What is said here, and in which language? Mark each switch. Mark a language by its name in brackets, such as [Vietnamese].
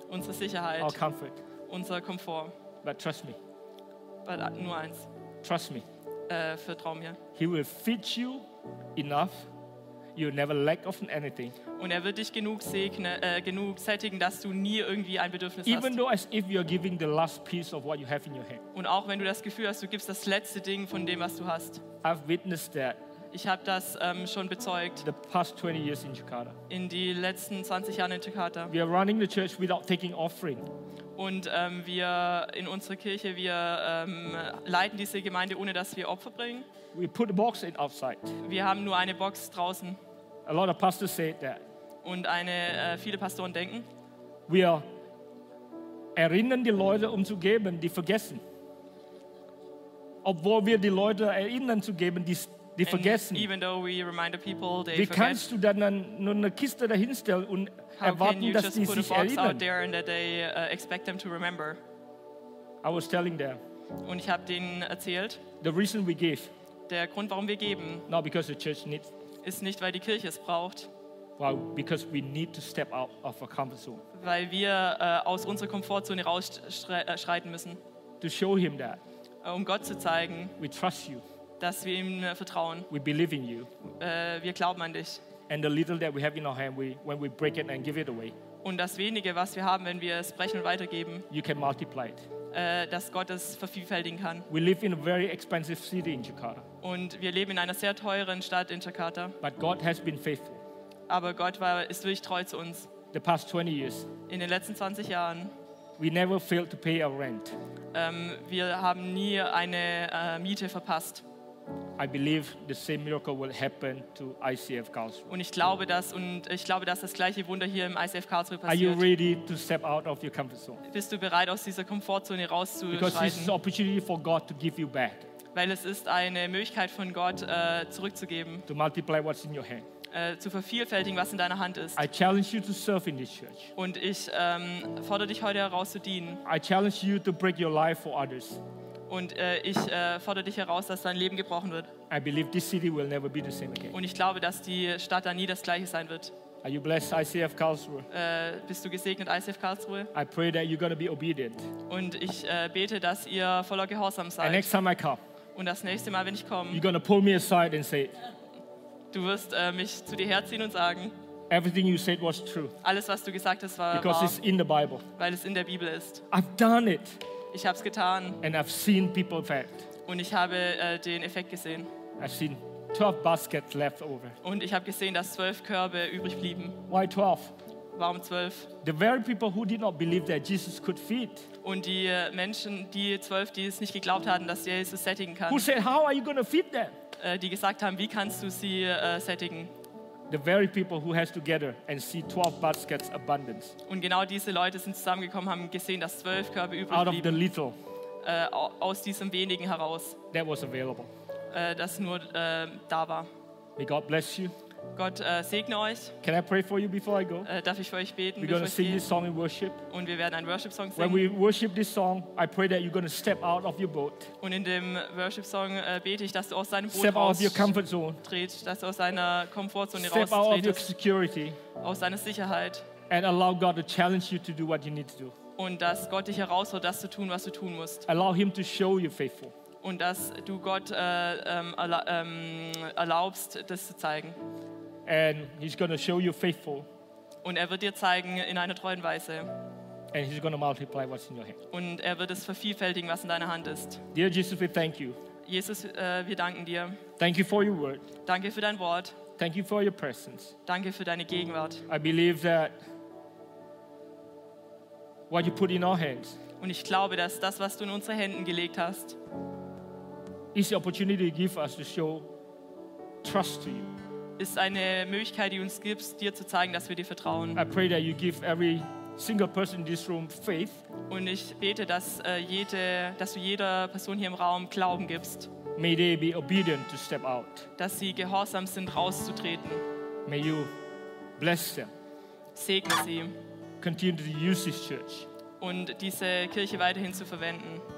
[German] Unsere Sicherheit. [English] Our comfort. [German] Unser Komfort. [English] But trust me. [German] But nur eins. [English] Trust me. [German] Vertrau mir. [English] He will feed you enough. You never lack of anything. [German] Und er wird dich genug segnen, genug sättigen, dass du nie irgendwie ein Bedürfnis hast. [English] Even though as if you are giving the last piece of what you have in your hand. [German] Und auch wenn du das Gefühl hast, du gibst das letzte Ding von dem, was du hast. [English] I've witnessed that. [German] Ich habe das schon bezeugt. [English] The past 20 years in Jakarta. [German] In die letzten 20 Jahre in Jakarta. [English] We are running the church without taking offering. [German] Und wir in unserer Kirche, wir leiten diese Gemeinde, ohne dass wir Opfer bringen. [English] We put a box in outside. [German] Wir haben nur eine Box draußen. [English] A lot of pastors say that. [German] Und eine, viele Pastoren denken. Wir erinnern die Leute, um zu geben, die vergessen. Obwohl wir die Leute erinnern zu geben, die vergessen. [English] Even though we remind the people, they [German] wie [English] forget. [German] Kannst du dann nur eine Kiste dahinstellen und [English] how [German] erwarten, dass sie sich erinnern? [English] Out there and that they, expect them to remember. I was telling them. [German] Und ich habe denen erzählt. [English] The reason we give. [German] Der Grund, warum wir geben. [English] Not because the church needs. [German] Ist nicht, weil die Kirche es braucht. [English] Well, because we need to step out of our comfort zone. [German] Weil wir aus unserer Komfortzone rausschreiten müssen. [English] To show him that. [German] Um Gott zu zeigen. [English] We trust you. [German] Dass wir ihm vertrauen. [English] We believe in you. [German] Wir glauben an dich. [English] And the little that we have in our hand, when we break it and give it away. [German] Und das Wenige, was wir haben, wenn wir es brechen und weitergeben. [English] You can multiply it. [German] Dass Gott es vervielfältigen kann. [English] We live in a very expensive city in Jakarta. [German] Und wir leben in einer sehr teuren Stadt in Jakarta. [English] But God has been faithful. [German] Aber Gott war, ist wirklich treu zu uns. [English] The past 20 years. [German] In den letzten 20 Jahren. [English] We never failed to pay our rent. [German] Wir haben nie eine Miete verpasst. [English] I believe the same miracle will happen to ICF Karlsruhe. [German] Und ich glaube, dass das gleiche Wunder hier im ICF Karlsruhe passiert. [English] Are you ready to step out of your comfort zone? [German] Bist du bereit, aus dieser Komfortzone rauszuschreiten? [English] Because this is an opportunity for God to give you back. [German] Weil es ist eine Möglichkeit von Gott zurückzugeben. [English] To multiply what's in your hand. [German] Zu vervielfältigen, was in deiner Hand ist. [English] I challenge you to serve in this church. [German] Und ich fordere dich heute heraus zu dienen. [English] I challenge you to break your life for others. [German] Und ich fordere dich heraus, dass dein Leben gebrochen wird. [English] I believe this city will never be the same again. [German] Und ich glaube, dass die Stadt da nie das gleiche sein wird. [English] Are you blessed, ICF Karlsruhe? [German] Bist du gesegnet, ICF Karlsruhe? [English] I pray that you're gonna be obedient. [German] Und ich bete, dass ihr voller Gehorsam seid. [English] And next time I come, [German] und das nächste Mal, wenn ich komme, [English] you're gonna pull me aside and say, [German] du wirst mich zu dir herziehen und sagen, [English] everything you said was true. [German] Alles, was du gesagt hast, war [English] because [German] wahr. [English] Because it's in the Bible. [German] Weil es in der Bibel ist. [English] I've done it. [German] Ich habe es getan. [English] And I've seen people effect. [German] Und ich habe den Effekt gesehen. [English] I've seen 12 baskets left over. [German] Und ich habe gesehen, dass 12 Körbe übrig blieben. [English] Why 12? [German] Warum 12? [English] The very people who did not believe that Jesus could feed. [German] Und die Menschen, die 12, die es nicht geglaubt hatten, dass Jesus sättigen kann. [English] Who said, how are you going to feed them? [German] Die gesagt haben, wie kannst du sie sättigen? [English] The very people who has together and see 12 baskets abundance. [German] Und genau diese Leute sind zusammengekommen, haben gesehen, dass 12 Körbe übrig blieben. [English] Out of the little. [German] Aus diesem Wenigen heraus. [English] That was available. [German] Das nur da war. [English] May God bless you. [German] Gott segne euch. [English] Can I pray for you before I go? [German] Darf ich für euch beten? [English] We're gonna sing this song in worship. [German] Und wir werden einen Worship Song singen. [English] When we worship this song, I pray that you're gonna step out of your boat. [German] Und in dem Worship Song bete ich, dass du aus deinem Boot [English] step out of your comfort zone. [German] Tret, dass du aus deiner Komfortzone raus tretest. [English] Step out of your security. [German] Aus deiner Sicherheit. [English] And allow God to challenge you to do what you need to do. [German] und dass Gott dich herausfordert, das zu tun, was du tun musst. [English] Allow him to show you faithful. [German] Und dass du Gott erlaubst, das zu zeigen. [English] And he's gonna show you faithful. [German] Und er wird dir zeigen in einer treuen Weise. [English] And he's gonna multiply what's in your hand. [German] Und er wird es vervielfältigen, was in deiner Hand ist. [English] Dear Jesus, we thank you. [German] Jesus, wir danken dir. [English] Thank you for your word. [German] Danke für dein Wort. [English] Thank you for your presence. [German] Danke für deine Gegenwart. [English] I believe that what you put in our hands. [German] Und ich glaube, dass das, was du in unsere Händen gelegt hast, [English] is the opportunity you give us to show trust to you. [German] Ist eine Möglichkeit, die uns gibst, dir zu zeigen, dass wir dir vertrauen. [English] I pray that you give every single person in this room faith. [German] Und ich bete, dass dass du jeder Person hier im Raum Glauben gibst. [English] May they be obedient to step out. [German] Dass sie gehorsam sind, rauszutreten. [English] May you bless them. [German] Segne sie. [English] Continue to use this church. [German] Und diese Kirche weiterhin zu verwenden.